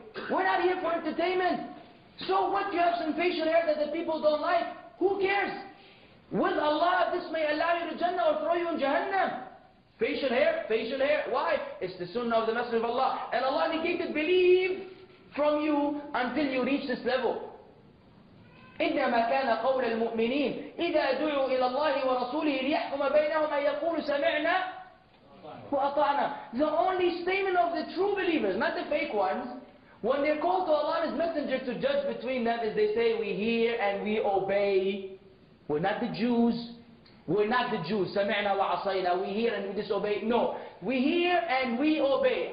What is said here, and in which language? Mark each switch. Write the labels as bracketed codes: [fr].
[en] We're not here for entertainment. So what, you have some facial hair that the people don't like? Who cares? With Allah, this may allow you to Jannah or throw you in Jahannam. Facial hair, why? It's the sunnah of the Messenger of Allah. And Allah negated belief from you until you reach this level. [ar] إنما كان قول المؤمنين إذا دعوا إلى الله ورسوله ليحكم بينهم أن يقولوا سمعنا وأطعنا. [en] The only statement of the true believers, not the fake ones, when they're called to Allah and His Messenger to judge between them, is they say, we hear and we obey. We're not the Jews. We're not the Jews. [ar] سمعنا وعصينا. [en] We hear and we disobey. No. We hear and we obey.